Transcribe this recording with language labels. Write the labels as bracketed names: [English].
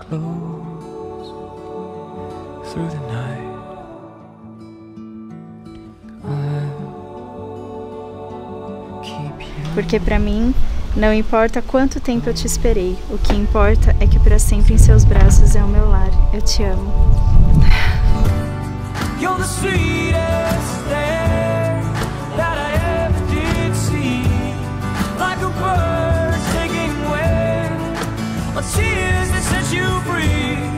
[English] Through the night, keep you. [Portuguese] Porque pra mim, não importa quanto tempo eu te esperei, o que importa é que pra sempre em seus braços é o meu lar. Eu te amo. [English] You're the sweetest thing that I ever did see. Like a bird taking wing, or tears that set you free.